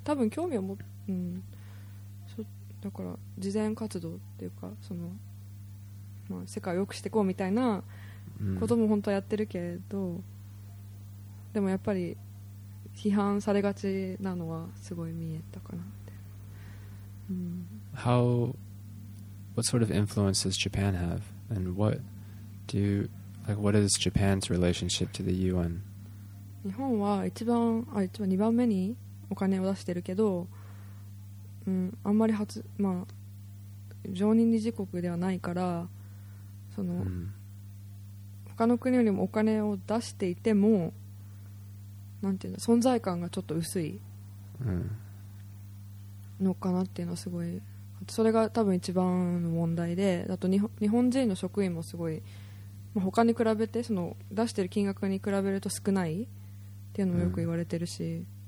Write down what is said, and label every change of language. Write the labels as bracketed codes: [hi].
[ja] 多分興味を持っ、だから慈善活動っていうかその。世界を良くしていこうみたいなことも本当はやってるけど、でもやっぱり批判されがちなのはすごい見えたかなって。 [en] How, what sort of influence does Japan have, and what do you, like, what is Japan's relationship to the UN? [ja] 日本は一番2番目にお金を出してるけど、あんまり初、まあ常任理事国ではないから。その他の国よりもお金を出していてもなんていうの存在感がちょっと薄いのかなっていうのはすごいそれが多分一番の問題であと日本人の職員もすごい、まあ、他に比べてその出してる金額に比べると少ないっていうのもよく言われてるし、